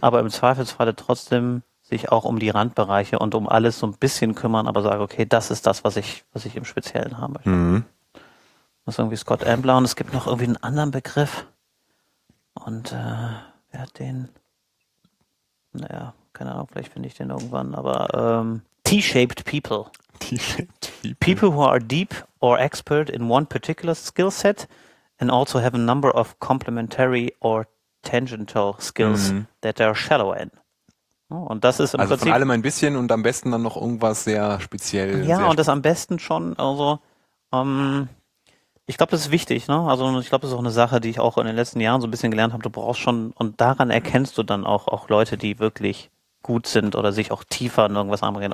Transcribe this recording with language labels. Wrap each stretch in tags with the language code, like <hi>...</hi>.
<de>Aber im Zweifelsfalle trotzdem sich auch um die Randbereiche und um alles so ein bisschen kümmern, aber sage, okay, das ist das, was ich im Speziellen haben möchte. Mhm. Das ist irgendwie Scott Ambler und es gibt noch irgendwie einen anderen Begriff. Und wer hat den? Naja, keine Ahnung, vielleicht finde ich den irgendwann, aber T-shaped people. T-shaped people.</de> <en>People who are deep or expert in one particular skill set and also have a number of complementary or tangential skills that they are shallow in.</en> <de>Und das ist also Prinzip, von allem ein bisschen und am besten dann noch irgendwas sehr speziell. Ja, sehr und das am besten schon, also ich glaube, das ist wichtig, ne? Also ich glaube, das ist auch eine Sache, die ich auch in den letzten Jahren so ein bisschen gelernt habe. Du brauchst schon, und daran erkennst du dann auch Leute, die wirklich gut sind oder sich auch tiefer in irgendwas anbringen.</de>